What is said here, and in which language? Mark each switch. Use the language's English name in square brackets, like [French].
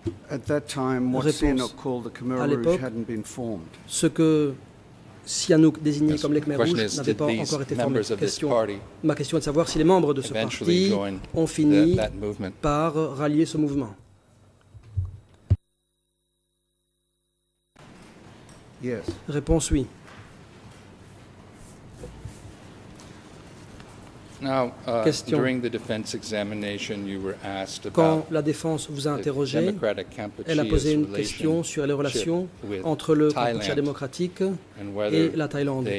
[English] At that time, what Sihanouk called the Khmer Rouge hadn't been formed. [French] Ce que Sihanouk désignait comme les Khmer Rouges n'avait pas encore été formé. Ma question est de savoir si les membres de ce parti ont fini par rallier ce mouvement. [English] Yes. [French] Réponse oui. [English] Now, question. During the defense examination, you were asked about [French] quand la défense vous a interrogé, elle a posé une question sur les relations entre le Kampuchea démocratique et la Thaïlande.